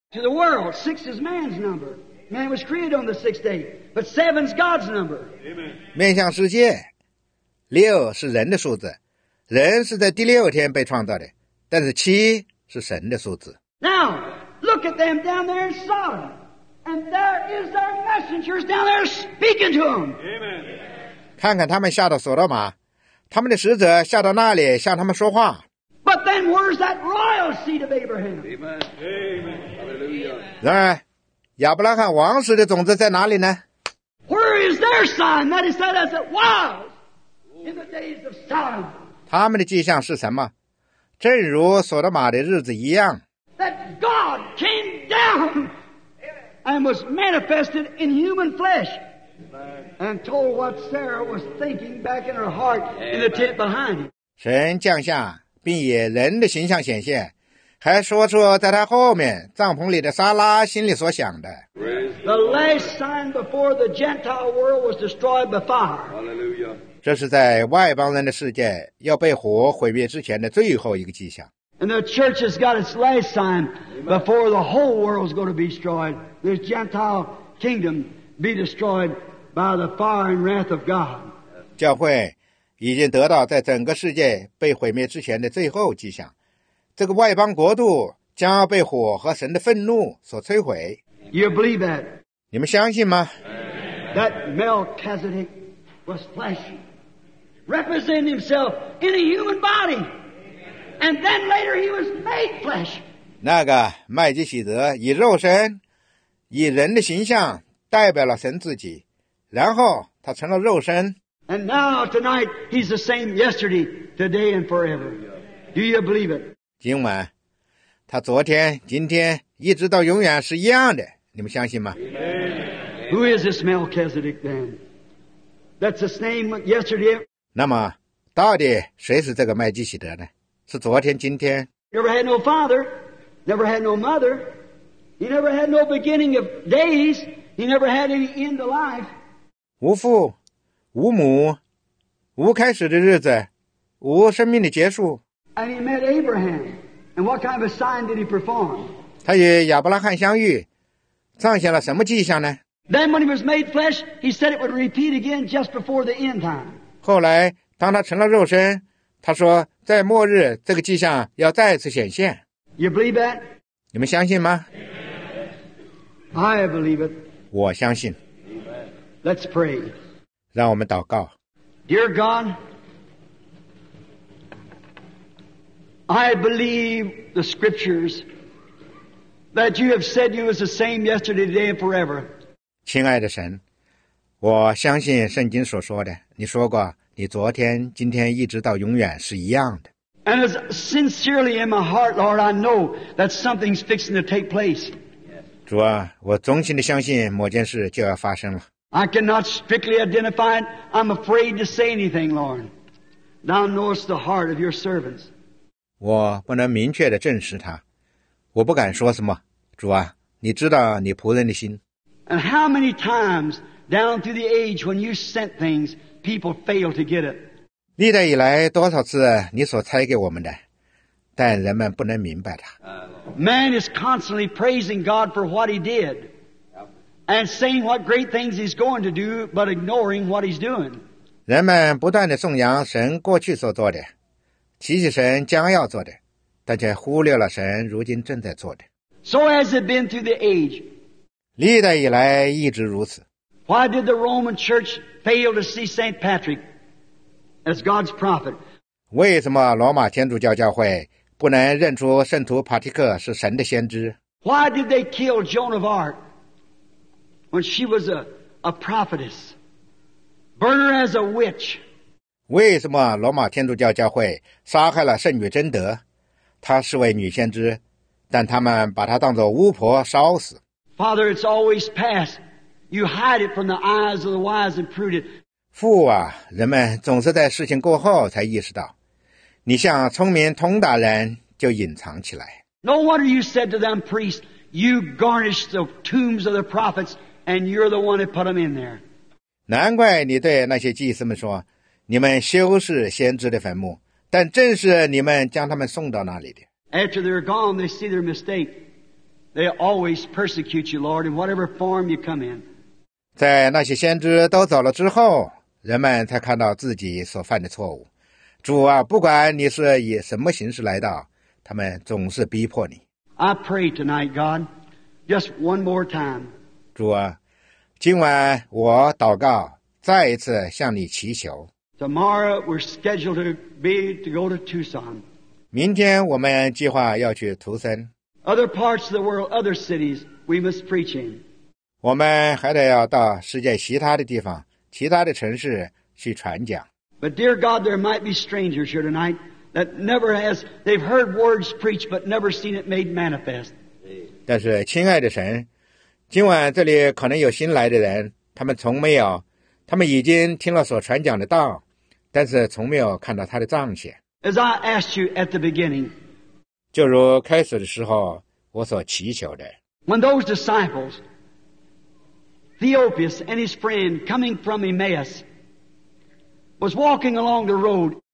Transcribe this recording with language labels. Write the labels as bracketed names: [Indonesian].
[English] To the world, six is man's number. Man was created on the sixth day, but seven's God's number. Amen. [Chinese] 面向世界，六是人的数字，人是在第六天被创造的，但是七是神的数字。 [English] Now, look at them down there in Sodom, and there is their messengers down there speaking to them. Amen. [Chinese] 看看他们下到索罗马，他们的使者下到那里向他们说话。 [English] But then where's that royal seed of Abraham? Amen. [Chinese] 然而亚伯拉罕王室的种子在哪里呢？ [English] Where is their sign that is said as it was in the days of Sodom? [Chinese] 他们的迹象是什么？正如索多玛的日子一样。 [English] That God came down and was manifested in human flesh. And told what Sarah was thinking back in her heart in the tent behind him. [Chinese] 神降下，并以人的形象显现，还说出在他后面帐篷里的撒拉心里所想的。 [English] The last sign before the Gentile world was destroyed by fire. Hallelujah. [Chinese] 这是在外邦人的世界要被火毁灭之前的最后一个迹象。 [English] And the church has got its last sign before the whole world is going to be destroyed. This Gentile kingdom be destroyed. By the fire and wrath of God. [Chinese] 教会已经得到在整个世界被毁灭之前的最后迹象，这个外邦国度将要被火和神的愤怒所摧毁。 [English] You believe that? [Chinese] 你们相信吗？ [English] That Melchizedek was fleshy, representing himself in a human body, and then later he was made flesh. [Chinese] 那个麦基洗德以肉身，以人的形象代表了神自己。然后他成了肉身。 [English] And now tonight he's the same yesterday, today and forever. Do you believe it? [Chinese] 今晚，他昨天、今天一直到永远是一样的。你们相信吗？ [English] Amen. Who is this Melchizedek then? That's the same yesterday. [Chinese] 那么，到底谁是这个麦基洗德呢？是昨天、今天 [English] ？Never had no father, never had no mother. He never had no beginning of days. He never had any end of life. [Chinese] 无父无母无开始的日子无生命的结束。 [English] And he met Abraham. And what kind of a sign did he perform? [Chinese] 他与亚伯拉罕相遇，彰显了什么迹象呢？ [English] Then when he was made flesh, he said it would repeat again just before the end time. [Chinese] 后来当他成了肉身，他说在末日这个迹象要再次显现。 [English] You believe that? [Chinese] 你们相信吗？ [English] I believe it. [Chinese] 我相信。 [English] Let's pray. [Chinese] 让我们祷告。 [English] Dear God, I believe the scriptures that you have said you is the same yesterday, today, and forever. [Chinese] 亲爱的神，我相信圣经所说的，你说过你昨天、今天一直到永远是一样的。 [English] And as sincerely in my heart, Lord, I know that something's fixing to take place. [Chinese] 主啊，我衷心地相信某件事就要发生了。 [English] I cannot strictly identify it. I'm afraid to say anything, Lord. Thou knowest the heart of your servants. [Chinese] 我不能明确地证实它，我不敢说什么。主啊，你知道你仆人的心。 [English] And how many times down through the age when you sent things, people failed to get it? [Chinese] 历代以来多少次你所差给我们的，但人们不能明白它。 [English] Man is constantly praising God for what he did. And saying what great things he's going to do, but ignoring what he's doing. [Chinese] 人们不断地颂扬神过去所做的，提起神将要做的，但却忽略了神如今正在做的。 [English] So has it been through the age. [Chinese] 历代以来一直如此。 [English] Why did the Roman Church fail to see St. Patrick as God's prophet? [Chinese] 为什么罗马天主教教会不能认出圣徒帕提克是神的先知？ [English] Why did they kill Joan of Arc? When she was a prophetess, burn her as a witch. [Chinese] 为什么罗马天主教教会杀害了圣女贞德？她是位女先知，但他们把她当作巫婆烧死。 [English] Father, it's always past. You hide it from the eyes of the wise and prudent. [Chinese] 父啊，人们总是在事情过后才意识到，你向聪明通达人就隐藏起来。 [English] No wonder you said to them, priests, you garnished the tombs of the prophets. And you're the one who put them in there. [Chinese] 难怪你对那些祭司们说，你们修饰先知的坟墓，但正是你们将他们送到那里的。 [English] After they're gone, they see their mistake. They always persecute you, Lord, in whatever form you come in. [Chinese] 在那些先知都走了之后，人们才看到自己所犯的错误。主啊，不管你是以什么形式来到，他们总是逼迫你。 [English] I pray tonight, God, just one more time. [Chinese] 主啊，今晚我祷告，再一次向你祈求。 [English] Tomorrow we're scheduled to be to go to Tucson. [Chinese] 明天我们计划要去图森。 [English] Other parts of the world, other cities, we must preach in. [Chinese] 我们还得要到世界其他的地方，其他的城市去传讲。 [English] But dear God, there might be strangers here tonight that never has they've heard words preached but never seen it made manifest. [Chinese] 但是，亲爱的神。今晚这里可能有新来的人，他们从没有，他们已经听了所传讲的道，但是从没有看到他的彰显。 [English] As I asked you at the beginning, [Chinese] 就如开始的时候我所祈求的。 [English] When those disciples, Theophilus and his friend coming from Emmaus, was walking along the road,